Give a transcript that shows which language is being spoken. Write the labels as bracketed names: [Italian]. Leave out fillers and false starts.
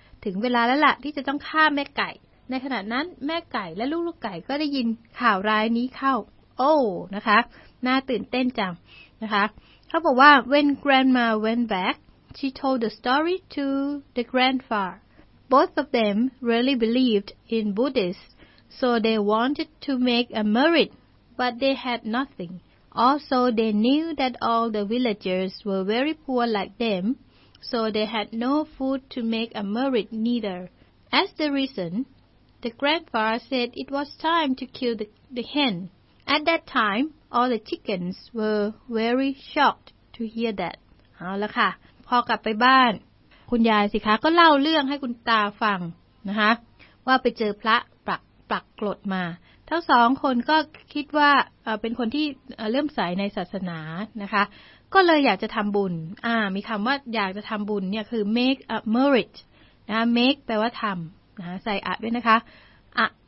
[Thai] ถึงเวลาแล้วล่ะที่จะต้องฆ่าแม่ไก่ในขณะนั้นแม่ไก่และลูกไก่ก็ได้ยินข่าวร้ายนี้เข้าโอ้นะคะน่าตื่นเต้นจังนะคะเขาบอกว่า [English] when grandma went back she told the story to the grandpaBoth of them really believed in Buddhists, so they wanted to make a merit, but they had nothing. Also, they knew that all the villagers were very poor like them, so they had no food to make a merit neither. As the reason, the grandfather said it was time to kill the hen. At that time, all the chickens were very shocked to hear that. [Thai] เอาละค่ะพอกลับไปบ้านคุณยายสิคะก็เล่าเรื่องให้คุณตาฟังนะคะว่าไปเจอพระปักกรดมาทั้งสองคนก็คิดว่าเป็นคนที่เริ่มใสในศาสนานะคะก็เลยอยากจะทำบุญมีคำว่าอยากจะทำบุญเนี่ยคือ [English] make a merit [Thai] นะ make แปลว่าทำนะใส่อะด้วยนะคะอะ